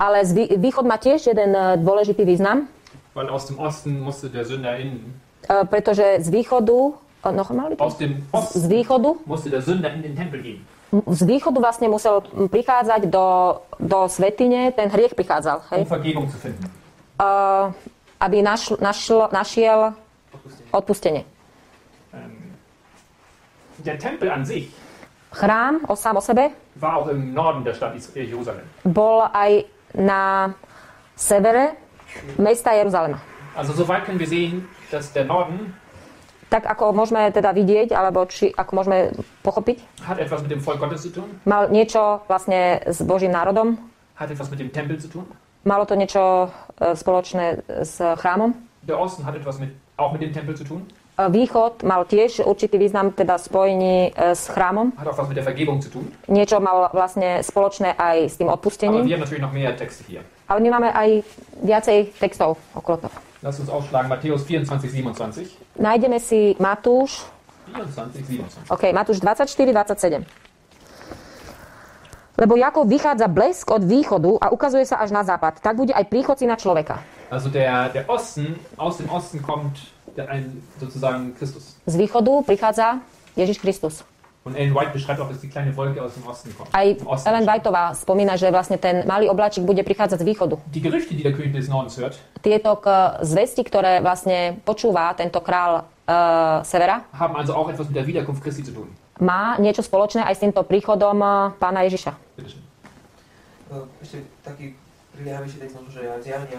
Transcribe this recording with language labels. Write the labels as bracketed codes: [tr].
[sk] Ale východ má tiež jeden dôležitý význam. [de] Weil aus dem Osten musste der Sünder in. [sk] Pretože z východu, [de] noch mal bitte. Aus dem Osten. [sk] Z východu [de] musste der Sünder in den Tempel gehen. [sk] Z východu vlastne musel prichádzať do svätyne, ten hriech prichádzal, [de] hej? Um Vergebung zu finden. [sk] Aby našiel odpustenie. [de] Der Tempel an sich. [sk] Chrám sám o sebe. [de] War auch im Norden der Stadt Jerusalem. [sk] Bol aj na severe mesta Jeruzalema. [de] Also so weit können wir sehen, dass der Norden. [sk] Tak ako môžeme teda vidieť alebo či ako môžeme pochopiť? [de] Hat etwas mit dem Volk Gottes zu tun? [sk] Mal niečo vlastne s Božím národom? [de] Hat etwas mit dem Tempel zu tun? [sk] Malo to niečo spoločné s chrámom? [de] Der Osten hat etwas auch mit dem Tempel zu tun? [sk] Východ mal tiež určitý význam teda spojený s chrámom. [de] Hat auch was mit der Vergebung zu tun? [sk] Niečo mal vlastne spoločné aj s tým odpustením. [de] Aber wir haben natürlich noch mehr Texte hier. [sk] Ale my máme aj viacej textov okolo toho. [de] Lass uns aufschlagen Matthäus 24:27. [sk] Nájdeme si Matúš. 24:27. Okay, Matúš 24:27. Lebo ako vychádza blesk od východu a ukazuje sa až na západ, tak bude aj príchod syna človeka. [de] Also der Osten, aus dem Osten kommt ein sozusagen Christus. [sk] Z východu prichádza Ježiš Kristus. [de] Und Ellen White beschreibt auch, dass die kleine Wolke aus dem Osten kommt. [sk] Aj Ellen Whiteová spomína, že vlastne ten malý obláčik bude prichádzať z východu. [de] Die Gerüchte, die der König des Nordens hört. [sk] Tieto zvesti, ktoré vlastne počúva tento král severa. [de] Haben also auch etwas mit der Wiederkunft Christi zu tun. [sk] Má niečo spoločné aj s týmto príchodom pána Ježiša. Ešte taký priliehavejší text, možno, že je Zjavenie,